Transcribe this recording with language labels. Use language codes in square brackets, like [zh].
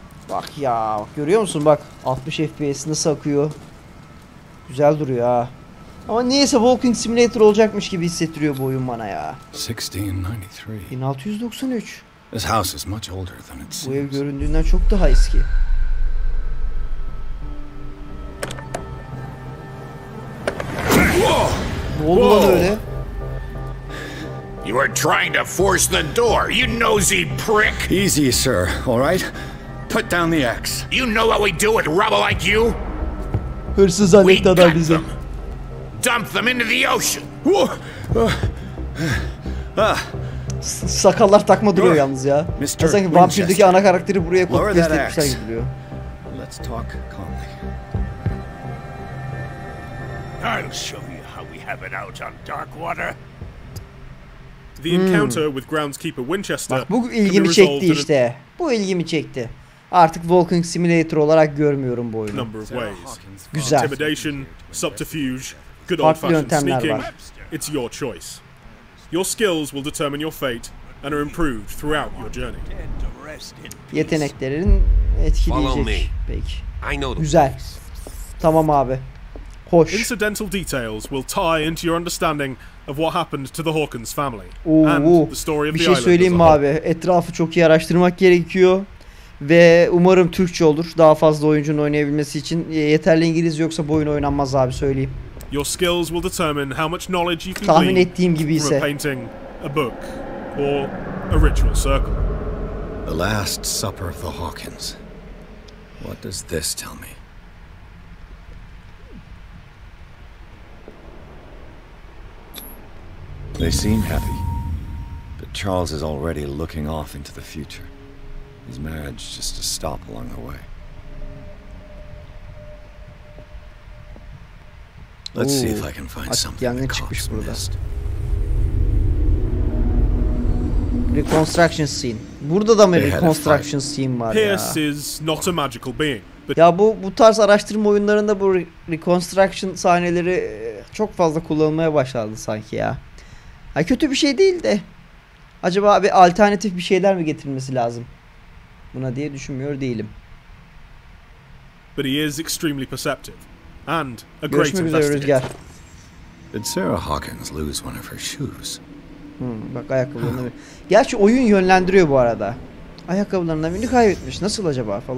[tr] Bak ya, bak görüyor musun, bak 60 FPS nasıl akıyor. Güzel duruyor ha. Ama neyse, Walking Simulator olacakmış gibi hissettiriyor bu oyun bana ya. [en] 1693. This house is much older than it seems. [tr] Bu ev göründüğünden çok daha eski. Ne oldu lan öyle? [en] You are trying to force the door, you nosy prick. Easy sir, all right? Put down the axe. You know what we do with rubble like you? [tr] Hırsız anekdada bize. [en] Dump them into the ocean. [tr] Sakallar takma duruyor yalnız ya. Ya sanki vampirdeki ana karakteri buraya koyup göstermişler gibi duruyor. [en] Let's talk calmly. I'll show you how we have it out on Darkwater. The encounter with groundskeeper Winchester. [tr] Bak, bu ilgimi çekti işte. Bu ilgimi çekti. Artık Walking Simulator olarak görmüyorum bu oyunu. Güzel. [en] Intimidation, subterfuge, good old fashioned sneaking. It's your choice. Your skills will determine your fate and are improved throughout your journey. [tr] Yeteneklerin etkileyecek. Peki. Güzel. Tamam abi. Hoş. [en] Incidental details will tie into your understanding of what happened to the Hawkins family. [tr] Bir şey söyleyeyim mi abi? Etrafı çok iyi araştırmak gerekiyor. Ve umarım Türkçe olur. Daha fazla oyuncunun oynayabilmesi için. Yeterli İngilizce yoksa bu oyun oynanmaz abi, söyleyeyim. [en] Your skills will determine how much knowledge you can glean. [tr] Tahmin ettiğim gibi ise. [en] A painting, a book, or a ritual circle. The last supper of the Hawkins. What does this tell me? They seem happy. But Charles is already looking off into the future. His marriage just a stop along the way. Let's see if I can find something that cops missed. Reconstruction scene. [tr] Burada da mı reconstruction scene var ya? [en] Pierce is not a magical being. [tr] Ya bu tarz araştırma oyunlarında bu reconstruction sahneleri çok fazla kullanılmaya başladı sanki ya. Ha, kötü bir şey değil de. Acaba bir alternatif bir şeyler mi getirilmesi lazım? Buna diye düşünmüyor değilim. [en] But he is extremely perceptive and a great investigator. Did Sarah Hawkins lose one of her shoes? [tr] Bak ayakkabılarını. Gerçi oyun yönlendiriyor bu arada. Ayakkabılarını mı kaybetmiş? Nasıl acaba falan.